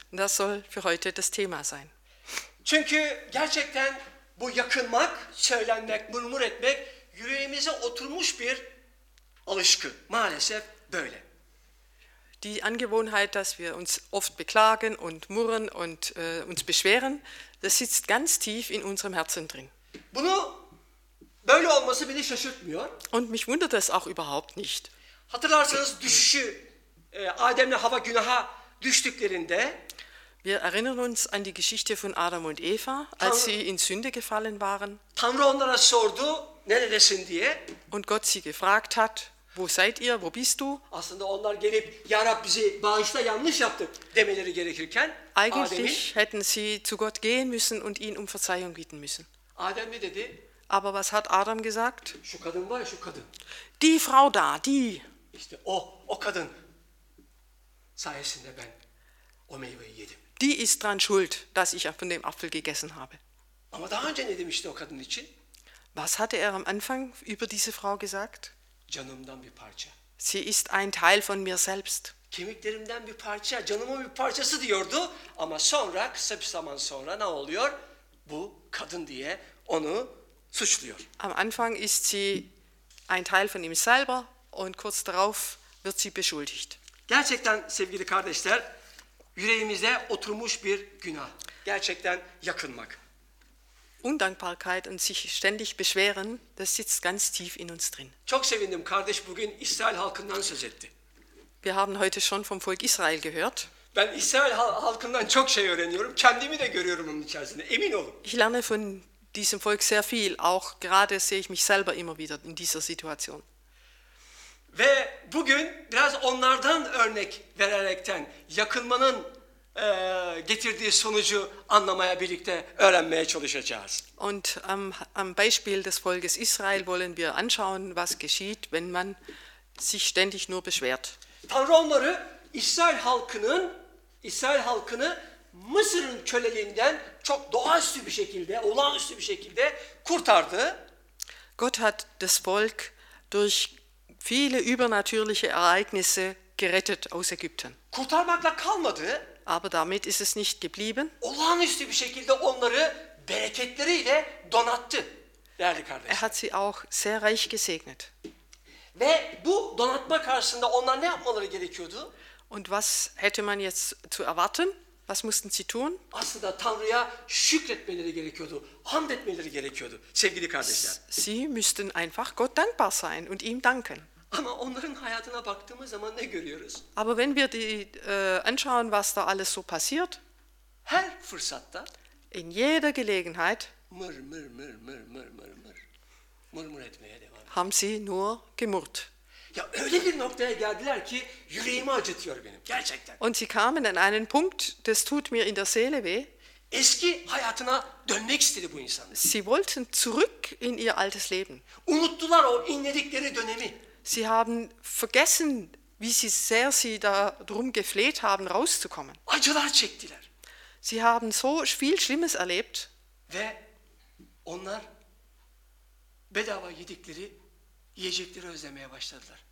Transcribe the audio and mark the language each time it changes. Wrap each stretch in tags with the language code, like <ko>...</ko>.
<de>Das soll für heute das Thema sein.</de> <tr>Çünkü gerçekten bu yakınmak, söylenmek, murmur etmek yüreğimize oturmuş bir alışkın. Maalesef böyle.</tr> <de>Die Angewohnheit, dass wir uns oft beklagen und murren und uns beschweren, das sitzt ganz tief in unserem Herzen drin.</de> <tr>Bunu böyle olması beni şaşırtmıyor.</tr> <de>Und mich wundert das auch überhaupt nicht.</de> <tr>Hatırlarsanız düşüşü Adem'le Hava günaha düştüklerinde</tr> <de>wir erinnern uns an die Geschichte von Adam und Eva, als sie in Sünde gefallen waren.</de> <tr>Tanrı onlara sordu, neredesin diye.</tr> <de>Und Gott sie gefragt hat, wo seid ihr, wo bist du?</de> <tr>Aslında onlar gelip, Ya Rab bizi bağışla, yanlış yaptık demeleri gerekirken</tr> <de>eigentlich Adem'in, hätten sie zu Gott gehen müssen und ihn um Verzeihung bitten müssen.</de> <tr>Adem ne dedi?</tr> <de>Aber was hat Adam gesagt?</de> <tr>Şu kadın var, şu kadın.</tr> <de>Die Frau da, die.</de> <tr>İşte o, o kadın sayesinde ben o meyveyi yedim.</tr> <de>Die ist dran schuld, dass ich von dem Apfel gegessen habe.</de> <tr>Ama daha önce ne demişti o kadın için?</tr> <de>Was hatte am Anfang über diese Frau gesagt?</de> <tr>Canımdan bir parça.</tr> <de>Sie ist ein Teil von mir selbst.</de> <tr>Kemiklerimden bir parça, canımın bir parçası diyordu. Ama sonra, kısa bir zaman sonra ne oluyor? Bu kadın diye onu suçluyor.</tr> <de>Am Anfang ist sie ein Teil von ihm selber und kurz darauf wird sie beschuldigt.</de> <tr>Gerçekten sevgili kardeşler, yüreğimize oturmuş bir günah. Gerçekten yakınmak.</tr> <de>Undankbarkeit und sich ständig beschweren, das sitzt ganz tief in uns drin.</de> <tr>Çok sevindim kardeş bugün İsrail halkından söz etti.</tr> <de>Wir haben heute schon vom Volk Israel gehört.</de> <tr>Ben İsrail halkından çok şey öğreniyorum. Kendimi de görüyorum onun içerisinde. Emin olun.</tr> <de>Ich lerne von diesem Volk sehr viel, auch gerade sehe ich mich selber immer wieder in dieser Situation.</de> <tr>Ve bugün biraz onlardan örnek vererekten yakınmanın getirdiği sonucu anlamaya birlikte öğrenmeye çalışacağız.</tr> <de>Und am Beispiel des Volkes Israel wollen wir anschauen, was geschieht, wenn man sich ständig nur beschwert.</de> <tr>Tanrı onları İsrail halkını Mısır'ın köleliğinden çok doğaüstü bir şekilde, olağanüstü bir şekilde kurtardı.</tr> <de>Gott hat das Volk durch viele übernatürliche Ereignisse gerettet aus Ägypten.</de> <tr>Kurtarmakla kalmadı.</tr> <de>Aber damit ist es nicht geblieben.</de> <tr>Olağanüstü bir şekilde onları bereketleriyle donattı. Değerli kardeşim.</tr> <de>Er hat sie auch sehr reich gesegnet.</de> <tr>Ve bu donatma karşısında onlar ne yapmaları gerekiyordu?</tr> <de>Und was hätte man jetzt zu erwarten? Was mussten sie tun?</de> <tr>Aslında Tanrı'ya şükretmeleri gerekiyordu. Hamd etmeleri gerekiyordu sevgili kardeşler.</tr> <de>Sie müssten einfach Gott dankbar sein und ihm danken.</de> <tr>Ama onların hayatına baktığımız zaman ne görüyoruz?</tr> <de>Aber wenn wir die anschauen, was da alles so passiert.</de> <tr>Her fırsatta.</tr> <de>In jeder Gelegenheit.</de> <tr>Mır mır mır mır mır mır mır. Mır mır etmeye devam ediyor.</tr> <de>Haben sie nur gemurrt.</de> <tr>Ya öyle bir noktaya geldiler ki yüreğimi acıtıyor benim gerçekten.</tr> <de>Und sie kamen an einen Punkt, das tut mir in der Seele weh.</de> <tr>Eski hayatına dönmek istedi bu insan.</tr> <de>Sie wollten zurück in ihr altes Leben.</de> <tr>Unuttular o inledikleri dönemi.</tr> <de>Sie haben vergessen, wie sie sehr sie da drum gefleht haben, rauszukommen.</de> <tr>Acılar çektiler.</tr> <de>Sie haben so viel Schlimmes erlebt.</de> <tr>Ve onlar bedava yedikleri yiyecekleri özlemeye başladılar.</tr>